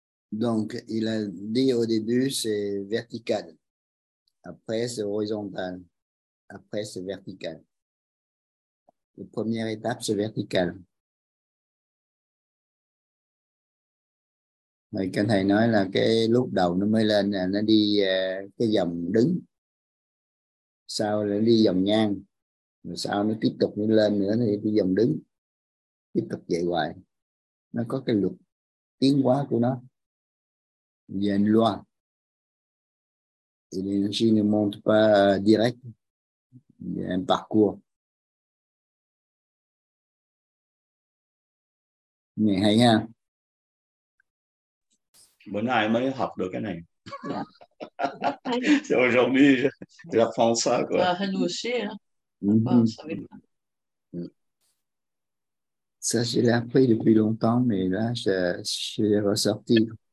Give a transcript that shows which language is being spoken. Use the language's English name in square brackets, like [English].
[French] Donc, il a dit au début, c'est vertical. Après, c'est horizontal. Après, c'est vertical. La première étape, c'est vertical. Mais quand [Vietnamese] thầy nói là cái lúc đầu nó mới lên là nó đi cái dòng đứng, sau là đi dòng ngang, rồi sau nó tiếp tục lên nữa thì đi dòng đứng, tiếp tục vậy hoài, nó có cái luật tiến hóa của nó, [French] il y a une loi, et l'énergie ne monte pas direct, il y a un parcours. [Vietnamese] Mais hay ha. Bữa nay mới học được cái này. [French] C'est aujourd'hui, je apprends ça, quoi. Nous aussi, hein. Ça, je l'ai appris depuis longtemps, mais là, je l'ai ressorti.